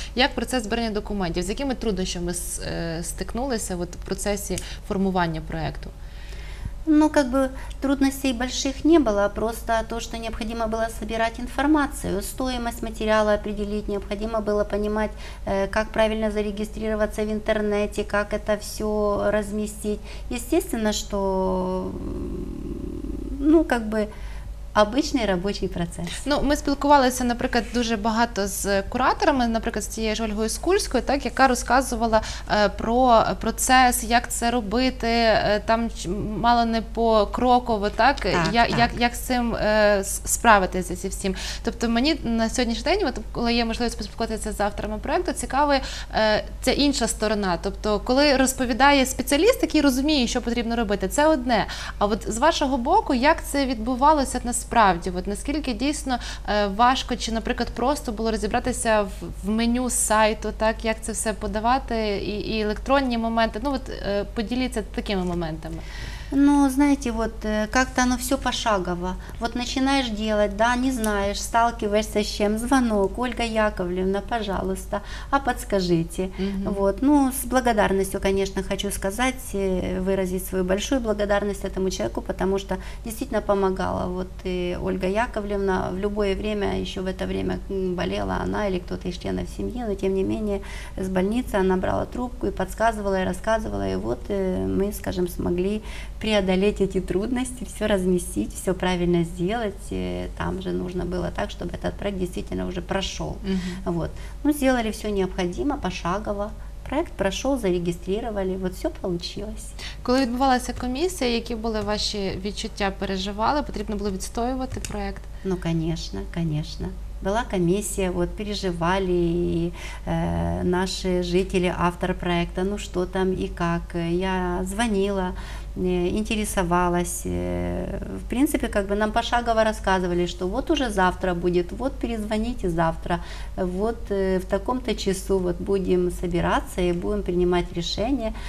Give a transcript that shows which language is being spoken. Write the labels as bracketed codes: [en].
[uk] Як процес збирання документів? З якими труднощами стикнулися от, в процесі формування проекту? [ru] Ну, как бы трудностей больших не было, просто то, что необходимо было собирать информацию, стоимость материала определить, необходимо было понимать, как правильно зарегистрироваться в интернете, как это все разместить. Естественно, что, ну, как бы, [uk] обичний робочий процес. Ну, ми спілкувалися, наприклад, дуже багато з кураторами, наприклад, з тією ж Ольгою Скульською, так, яка розказувала про процес, як це робити, там мало не покроково, так, як з цим справитися зі всім. Тобто мені на сьогоднішній день, от, коли є можливість поспілкуватися з авторами проекту, цікава ця інша сторона. Тобто, коли розповідає спеціаліст, який розуміє, що потрібно робити, це одне. А от з вашого боку, як це відбувалося на справді, от наскільки дійсно важко чи, наприклад, просто було розібратися в меню сайту, так, як це все подавати, і електронні моменти, ну, от поділіться такими моментами. [ru] Ну, знаете, вот как-то оно все пошагово. Вот начинаешь делать, да, не знаешь, сталкиваешься с чем, звонок, Ольга Яковлевна, пожалуйста, а подскажите. Вот, ну, с благодарностью, конечно, хочу сказать, выразить свою большую благодарность этому человеку, потому что действительно помогала. Вот и Ольга Яковлевна в любое время, еще в это время болела она или кто-то из членов семьи, но тем не менее с больницы она брала трубку и подсказывала, и рассказывала, и вот мы, скажем, смогли преодолеть эти трудности, все разместить, все правильно сделать. И там же нужно было так, чтобы этот проект действительно уже прошел. Вот. Ну, сделали все необходимо, пошагово. [uk] проект пройшов, зареєстрували, от все получилось. Коли відбувалася комісія, які були ваші відчуття, переживали, потрібно було відстоювати проект? Ну, звісно, звісно. [ru] Была комиссия, вот переживали и, наши жители, автор проекта, ну что там и как. Я звонила, интересовалась. В принципе, как бы нам пошагово рассказывали, что вот уже завтра будет, вот перезвоните завтра, вот в таком-то часу вот будем собираться и будем принимать решение.